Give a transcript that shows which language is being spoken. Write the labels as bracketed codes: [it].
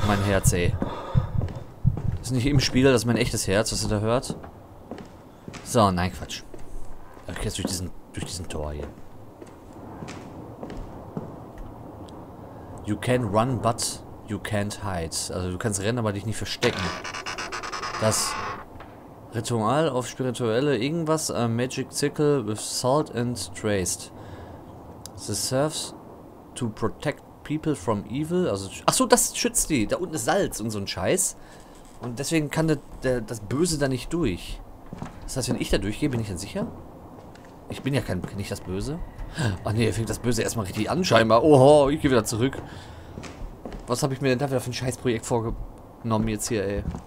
[de] Herz, ey. Das ist nicht im Spiegel, das ist mein echtes Herz, was ihr da hört. So, nein, Quatsch. Ich geh jetzt durch diesen Tor hier. [en] You can run, but you can't hide. [de] Also du kannst rennen, aber dich nicht verstecken. Das Ritual auf spirituelle irgendwas, [en] a magic circle with salt and traced. This serves to protect people from evil. [de] Also, achso, das schützt die. Da unten ist Salz und so ein Scheiß. Und deswegen kann das Böse da nicht durch. Das heißt, wenn ich da durchgehe, bin ich dann sicher? Ich bin ja kein, kenn ich das Böse? Ach ne, fängt das Böse erstmal richtig an, scheinbar. Oho, ich gehe wieder zurück. Was habe ich mir denn da wieder für ein Scheißprojekt vorgenommen jetzt hier, ey?